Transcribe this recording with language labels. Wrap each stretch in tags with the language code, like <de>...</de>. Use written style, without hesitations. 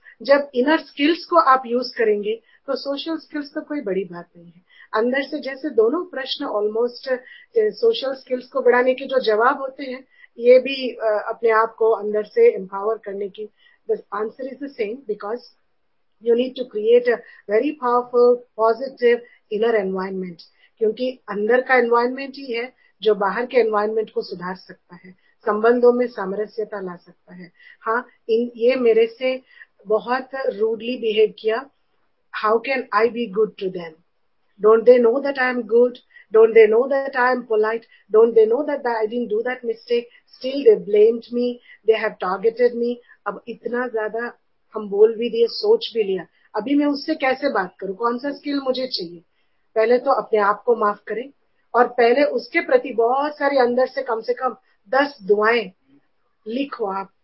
<hi>जब inner skills को आप यूज करेंगे तो सोशल स्किल्स तो कोई बड़ी बात नहीं है, अंदर से जैसे दोनों प्रश्न ऑलमोस्ट सोशल स्किल्स को बढ़ाने के जो जवाब होते हैं, ये भी अपने आप को अंदर से एम्पावर करने की</hi> <en>the answer is the same, because you need to create a very powerful positive inner environment,</en> <hi>क्योंकि अंदर का एनवायरमेंट ही है जो बाहर के एनवायरमेंट को सुधार सकता है, संबंधों में सामरस्यता ला सकता है। हाँ, ये मेरे से बहुत रूडली बिहेव किया,</hi> <en>How can I be good to them, don't they know that I am good, Don't they know that I am polite? Don't they know that I didn't do that mistake? Still they blamed me. They have targeted me.</en> <hi>अब इतना ज्यादा हम बोल भी दिए, सोच भी लिया, अभी मैं उससे कैसे बात करूं, कौन सा स्किल मुझे चाहिए? पहले तो अपने आप को माफ करें और पहले उसके प्रति बहुत सारी अंदर से कम 10 दुआएं लिखो आप।</hi>